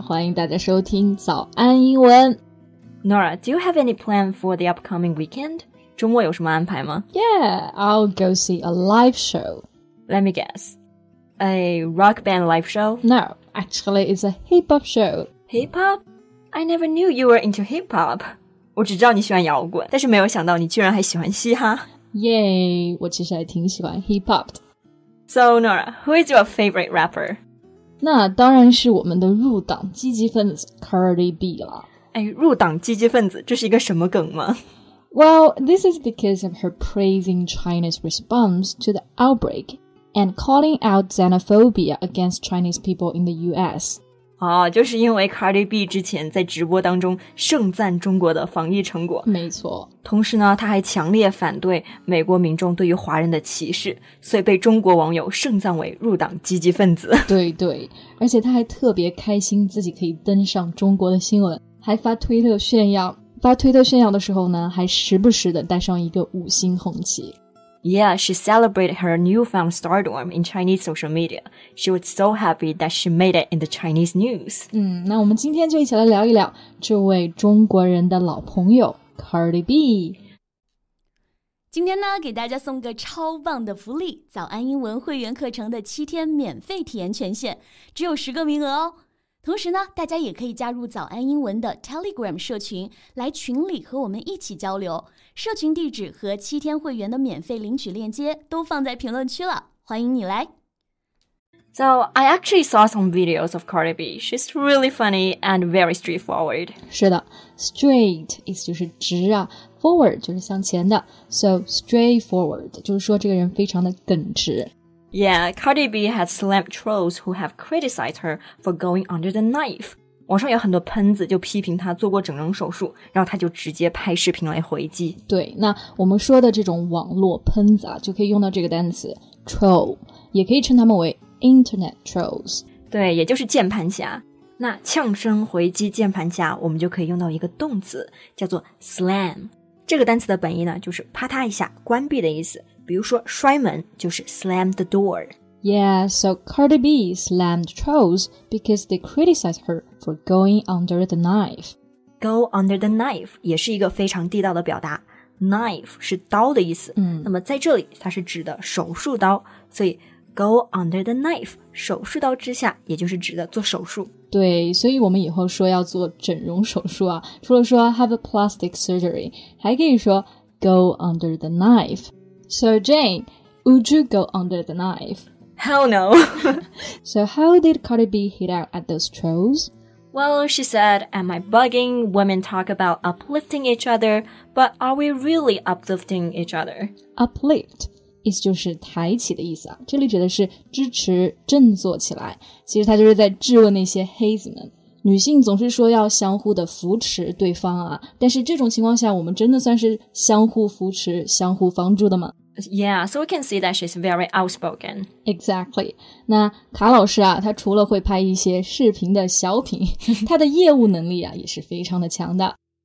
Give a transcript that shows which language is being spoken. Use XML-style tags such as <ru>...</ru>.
<zh>欢迎大家收听早安英文。</zh> <en>Nora, do you have any plan for the upcoming weekend?</en> <zh>周末有什么安排吗</zh> <en>？Yeah, I'll go see a live show. Let me guess, a rock band live show? No, actually, it's a hip hop show. Hip hop? I never knew you were into hip hop.</en> <zh>我只知道你喜欢摇滚，但是没有想到你居然还喜欢嘻哈。 Yay, 我其实还挺喜欢 hip hop 的。</zh> <en>So, Nora, who is your favorite rapper?</en> <zh>那当然是我们的入党积极分子 Cardi B 啦。哎，入党积极分子，这是一个什么梗吗？</zh> <en>Well, this is because of her praising China's response to the outbreak and calling out xenophobia against Chinese people in the US.</en> <zh>哦，就是因为 Cardi B 之前在直播当中盛赞中国的防疫成果。没错。同时呢，他还强烈反对美国民众对于华人的歧视，所以被中国网友盛赞为入党积极分子。对对，而且他还特别开心自己可以登上中国的新闻，还发推特炫耀。发推特炫耀的时候呢，还时不时的带上一个五星红旗。</zh> <en>Yeah, she celebrated her newfound stardom in Chinese social media. She was so happy that she made it in the Chinese news.</en> <zh>嗯，那我们今天就一起来聊一聊这位中国人的老朋友 Cardi B。今天呢，给大家送个超棒的福利，早安英文会员课程的七天免费体验权限，只有十个名额哦。同时呢，大家也可以加入早安英文的 Telegram 社群，来群里和我们一起交流。社群地址和七天会员的免费领取链接都放在评论区了，欢迎你来。</zh> <en>So, I actually saw some videos of Cardi B. She's really funny and very straightforward.</en> <zh>是的 ,straight 意思就是直啊 ,forward 就是向前的。 So, straightforward 就是说这个人非常的耿直。</zh> <en>Yeah, Cardi B has slammed trolls who have criticized her for going under the knife.</en> <zh>网上有很多喷子就批评她做过整容手术，然后她就直接拍视频来回击。对，那我们说的这种网络喷子啊，就可以用到这个单词 troll， 也可以称他们为 internet trolls。对，也就是键盘侠。那呛声回击键盘侠，我们就可以用到一个动词，叫做 slam。这个单词的本意呢，就是啪嗒一下，关闭的意思。比如说摔门就是</zh> <en>slam the door. Yeah, so Cardi B slammed trolls because they criticized her for going under the knife. Go under the knife</en> <zh>也是一个非常地道的表达。Knife 是刀的意思。嗯，那么在这里它是指的手术刀，所以</zh> <en>go under the knife</en> <zh>手术刀之下，也就是指的做手术。对，所以我们以后说要做整容手术啊，除了说</zh> <en>have a plastic surgery，</en> <zh>还可以说</zh> <en>go under the knife。 So Jane, would you go under the knife? Hell no. So how did Cardi B hit out at those trolls? Well, she said, am I bugging? Women talk about uplifting each other, but are we really uplifting each other?</en> <zh>Uplift, 意思就是抬起的意思啊。这里指的是支持振作起来。其实她就是在质问那些黑子们。女性总是说要相互的扶持对方啊，但是这种情况下我们真的算是相互扶持相互帮助的吗？</zh> <en>Yeah, so we can see that she's very outspoken. Exactly.</en> <zh>那卡老师啊，她除了会拍一些视频的小品，她的业务能力啊也是非常的强的。</zh>